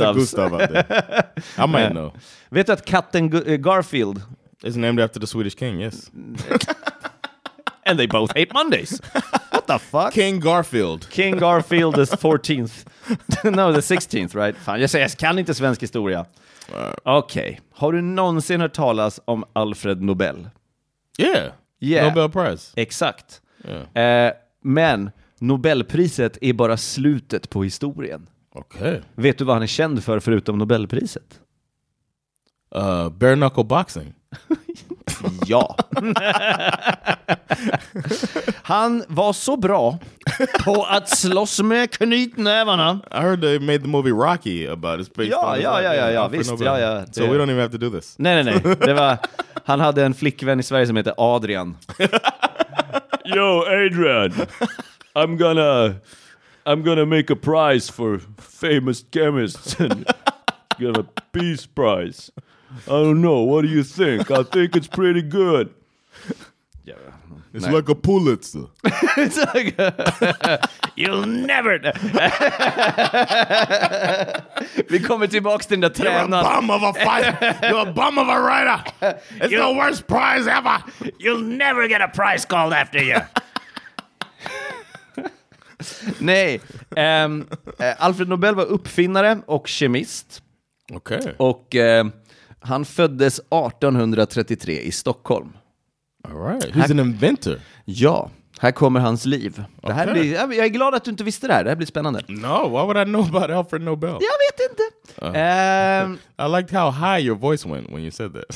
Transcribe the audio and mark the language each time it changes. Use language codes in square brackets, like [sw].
[en] That's a Gustav out there. I might know. [sv] Vet du att katten Garfield [en] is named after the Swedish king, yes. And they both hate Mondays. What the fuck? King Garfield the 14th. No, the 16th, right? [sv] Fan, jag kan inte svensk historia. Okej. Okay. Har du någonsin hört talas om Alfred Nobel? [en] Yeah. Nobel Prize. [sv] Exakt. [en] Yeah. [sv] Men Nobelpriset är bara slutet på historien. Okej. [en] Okay. [sv] Vet du vad han är känd för förutom Nobelpriset? [en] Bare knuckle boxing. [sv] Ja. Han var så bra på att slåss med knytnävarna. [en] I heard they made the movie Rocky about his [sv] face. Ja, visst. Ja, ja. [en] So we don't even have to do this. [sv] Nej. Det var, han hade en flickvän i Sverige som heter Adrian. [en] Yo, Adrian. I'm gonna make a prize for famous chemists. Gonna peace prize. I don't know, what do you think? I think it's pretty good. It's nej. Like a Pulitzer. It's like a... You'll never... [sv] Vi kommer tillbaka till den där tränaren. [en] You're a bum of a fighter. You're a bum of a writer. It's the worst prize ever. You'll never get a prize called after you. [sv] Nej. Alfred Nobel var uppfinnare och kemist. Okej. Okay. Och... Han föddes 1833 i Stockholm. [en] All right. He's an inventor. [sv] Ja, här kommer hans liv. Det här blir, jag är glad att du inte visste det här. Det här blir spännande. [en] No, why would I know about Alfred Nobel? [sv] Jag vet inte. [en] I liked how high your voice went when you said this.